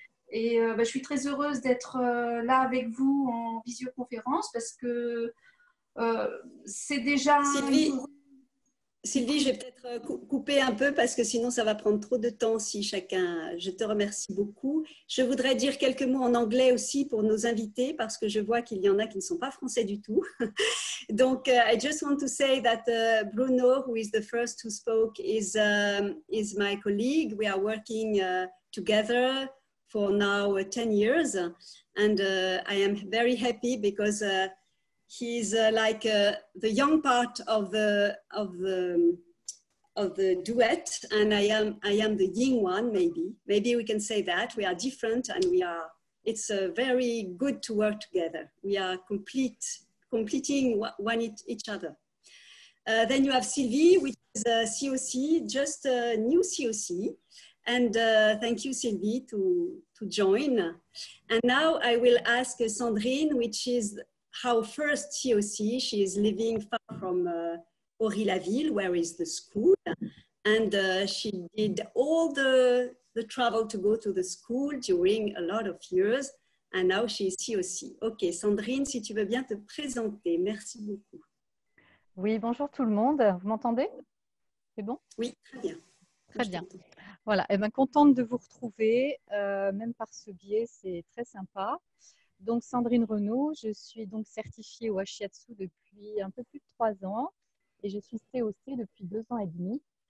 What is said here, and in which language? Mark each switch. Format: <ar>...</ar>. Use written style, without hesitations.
<fr>Et je suis très heureuse d'être là avec vous en visioconférence parce que c'est déjà... Sylvie, je vais peut-être couper un peu parce que sinon ça va prendre trop de temps si chacun... Je te remercie beaucoup. Je voudrais dire quelques mots en anglais aussi pour nos invités parce que je vois qu'il y en a qui ne sont pas français du tout.</fr> <en>Donc, I just want to say that Bruno, who is the first who spoke, is my colleague. We are working together for now 10 years. And I am very happy because... He's like the young part of the duet, and I am the yin one. Maybe we can say that we are different, and it's very good to work together. We are completing one each other. Then you have Sylvie, which is a COC, just a new COC, and thank you Sylvie to join. And now I will ask Sandrine, which is our first COC. She is living far from Ory Laville, where is the school, and she did all the travel to go to the school during a lot of years, and now she is COC.</en> <fr>Okay, Sandrine, si tu veux bien te présenter, merci beaucoup. Oui, bonjour tout le monde, vous m'entendez? C'est bon? Oui, très bien. Très bien. Voilà, et bien contente de vous retrouver, même par ce biais, c'est très sympa. Donc Sandrine Renaud, je suis donc certifiée au Ouachetsu depuis un peu plus de 3 ans et je suis COC depuis 2 ans et demi.</fr>